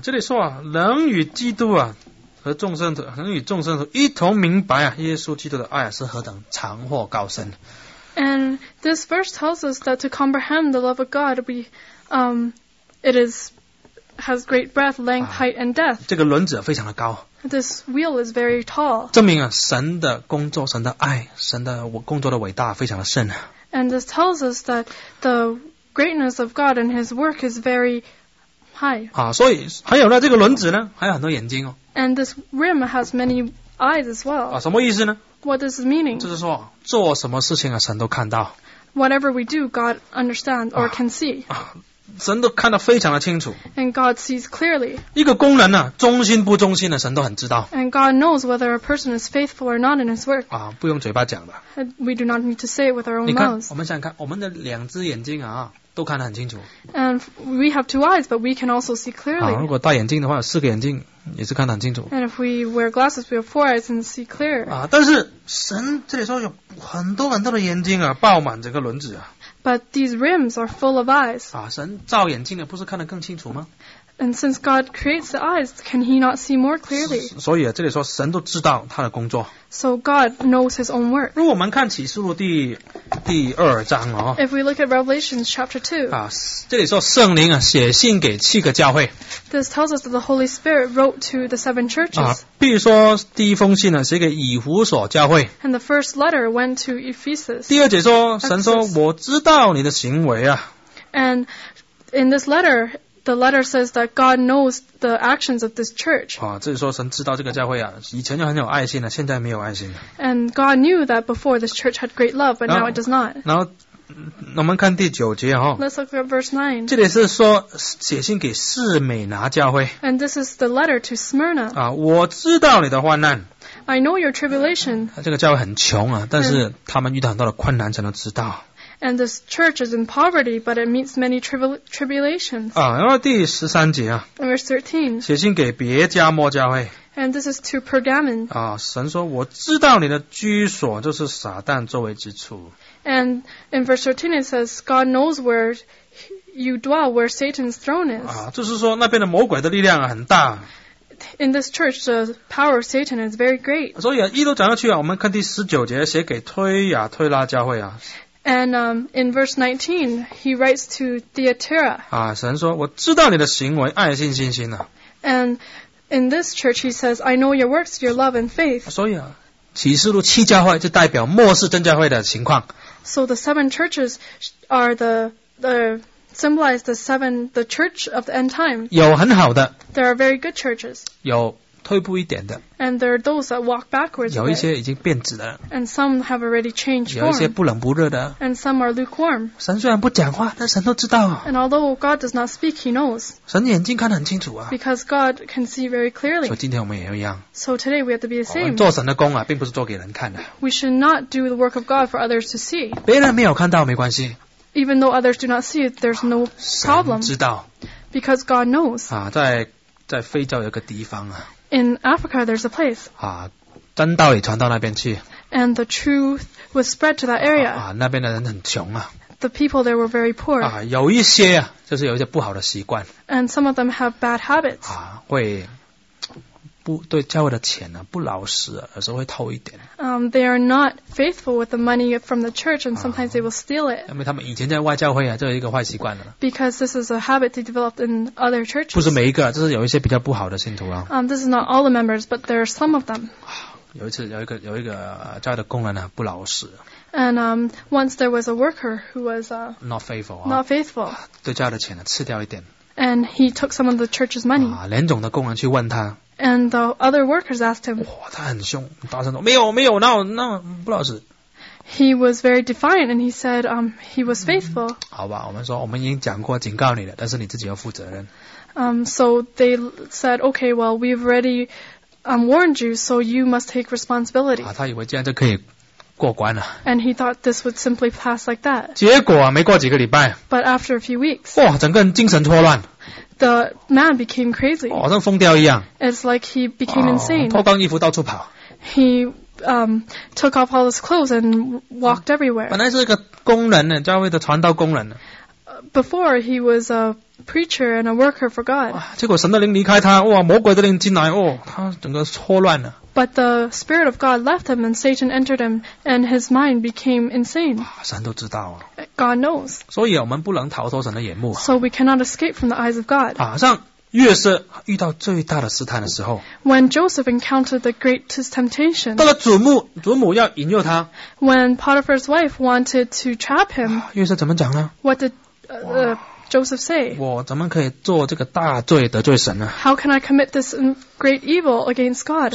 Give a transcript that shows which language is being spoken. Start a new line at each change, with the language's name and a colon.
Chinese: 这里说啊，能与基督啊和众圣徒，能与众圣徒一同明白啊，耶稣基督的爱、啊、是何等长或高深。
English: And this verse tells us that to comprehend the love of God, it has great breadth, length, height, and depth.
Chinese: 这个轮子非常的高。
English: This wheel is very tall.
Chinese: 证明啊，神的工作、神的爱、神的工作的伟大，非常的深。
English: And this tells us that the greatness of God and His work is very
Chinese: 啊、所以还有呢，这个轮子呢，还有很多眼睛哦。
English: And this rim has many eyes as well.
Chinese: 啊，什么意思呢
English: ？What does it mean?
Chinese: 就是说，做什么事情啊，神都看到。
English: Whatever we do, God understands or can see.
Chinese: 啊，神都看得非常的清楚。
English: And God sees clearly.
Chinese: 一个工人呢、啊，忠心不忠心的，神都很知道。
English: And God knows whether a person is faithful or not in his work.
Chinese: 啊，不用嘴巴讲的。
English: We do not need to say it with our own mouths.
Chinese: 你看，我们想看我们的两只眼睛啊。都看得很清楚。
English: And we have two eyes, but we can also see clearly.
Chinese: 如果戴眼镜的话，有四个眼镜也是看得很清楚。
English: And if we wear glasses, we have four eyes and see clear.
Chinese: 但是神这里说有很多很多的眼睛啊，爆满整个轮子啊。
English: But these rims are full of eyes.
Chinese: 神造眼睛的不是看得更清楚吗
English: ？And since God creates the eyes, can He not see more clearly?
Chinese: 所以、啊、这里说神都知道他的工作。
English: So God knows His own work.
Chinese: 如果我们看启示录第二章哦
English: ，If we look at Revelation chapter 2,
Chinese: 这里说圣灵啊写信给七个教会。
English: This tells us that the Holy Spirit wrote to the seven churches.
Chinese: 比如说第一封信呢写给以弗所教会。
English: And the first letter went to Ephesus.
Chinese: 第二节说神说我知道你的行为啊。
English: And in this letter, the letter says that God knows the actions of this church.
Chinese: 这里说神知道这个教会啊，以前就很有爱心了，现在没有爱心了。
English: And God knew that before this church had great love, but now it does not.
Chinese: 然后，我们看第九节哈。
English: Let's look at verse 9.
Chinese: 这里是说写信给士美拿教会。
English: And this is the letter to Smyrna.
Chinese: 我知道你的患难。
English: I know your tribulation.
Chinese: 这个教会很穷啊，但是他们遇到很多的困难才能知道。
English: And this church is in poverty, but it meets many tribulations.
Chinese: 然后第十三节啊。
English: Verse 13.
Chinese: 写信给别加摩教会。
English: And this is to Pergamon.
Chinese: 神说我知道你的居所就是撒旦作为之处。
English: And in verse 13 it says, God knows where you dwell, where Satan's throne is.
Chinese: 就是说那边的魔鬼的力量很大。
English: In this church, the power of Satan is very great.
Chinese: 所以一路讲下去啊，我们看第十九节写给推亚推拉教会啊。
English: And in verse 19, he writes to Thyatira.
Chinese: 神说我知道你的行为，爱心信心啊。
English: And in this church, he says, I know your works, your love and faith.
Chinese: 所以啊，启示录七教会就代表末世真教会的情况。
English: So the seven churches are the symbolize the seven, the church of the end time.
Chinese: 有很好的。
English: There are very good churches.
Chinese: 有退步一点的。
English: And there are those that walk backwards.
Chinese: 有一些已经变质的。
English: And some have already changed form.
Chinese: 有一些不冷不热的。
English: And some are lukewarm.
Chinese: 神虽然不讲话，但神都知道。
English: And although God does not speak, He knows.
Chinese: 神眼睛看得很清楚啊。
English: Because God can see very clearly.
Chinese: 所以今天我们也一样。
English: So today we have to be the same.
Chinese: 我们做神的工啊，并不是做给人看的。
English: We should not do the work of God for others to see.
Chinese: 别人没有看到没关系。
English: Even though others do not see it, there's no problem.
Chinese: 神知道。
English: Because God knows.
Chinese: 啊，在非洲有一个地方啊。
English: In Africa, there's a place.
Chinese: 啊，真道也传到那边去。
English: And the truth was spread to that area.
Chinese: 啊，那边的人很穷啊。
English: The people there were very poor.
Chinese: 啊，有一些啊，就是有一些不好的习惯。
English: And some of them have bad habits.
Chinese: 啊，会不对教会的钱呢、啊、不老实、啊，有时候会偷一点。
English: They are not faithful with the money from the church, and sometimes they will steal it.
Chinese: 因为他们以前在外教会啊，就有一个坏习惯了。
English: Because this is a habit they developed in other churches.
Chinese: 不是每一个，这是有一些比较不好的信徒啊。
English: This is not all the members, but there are some of them.
Chinese: 有一次有一个教会的工人呢、啊、不老实。
English: And once there was a worker who was not faithful. Not faithful.
Chinese: 对教会的钱呢、啊、吃掉一点。
English: And he took some of the church's money.
Chinese: 啊，连总的工人去问他。
English: And the other workers asked him.
Chinese: 哇，他很凶，大声说，没有，没有，那那不老实。
English: He was very defiant, and he said, he was faithful.
Chinese: 好吧，我们说，我们已经讲过警告你了，但是你自己要负责任。
English: So they said, okay, well, we've already, warned you, so you must take responsibility.
Chinese: 啊，他以为这样就可以过关了。
English: And he thought this would simply pass like that.
Chinese: 结果啊，没过几个礼拜。
English: But after a few weeks.
Chinese: 哇，整个人精神错乱。
English: The man became crazy.
Chinese: 好像疯掉一样。
English: It's like he became insane.
Chinese: 脱光衣服到处跑。
English: He took off all his clothes and walked everywhere.
Chinese: 本来是一个工人呢，教会的传道工人呢。
English: Before he was a preacher and a worker for God.
Chinese: 结果神的灵离开他，哇，魔鬼的灵进来，哦，他整个错乱了。
English: But the spirit of God left him, and Satan entered him, and his mind became insane.
Chinese: 神都知道啊。
English: God knows.
Chinese: 所以我们不能逃脱神的眼目。
English: So we cannot escape from the eyes of God.
Chinese: 啊，像约瑟遇到最大的试探的时候。
English: When Joseph encountered the greatest temptation.
Chinese: 到了祖母要引诱他。
English: When Potiphar's wife wanted to trap him.
Chinese: 约瑟怎么讲呢？
English: What did Joseph say?
Chinese: 我怎么可以做这个大罪得罪神呢？
English: How can I commit this great evil against God?